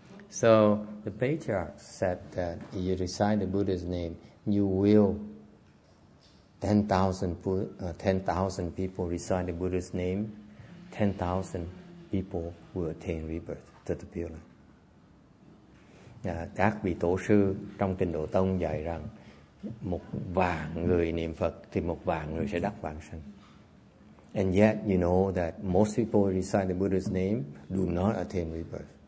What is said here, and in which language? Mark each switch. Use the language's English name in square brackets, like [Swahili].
[English] So the patriarch said that if you recite the Buddha's name, you will 10,000 people recite the Buddha's name, 10,000 people will attain rebirth to the Pure Land. [Vietnamese] Các vị tổ sư trong trình độ tông dạy rằng một vạn người niệm Phật thì một vạn người sẽ đắc vãng sanh. [English] And yet you know that most people recite the Buddha's name do not attain rebirth.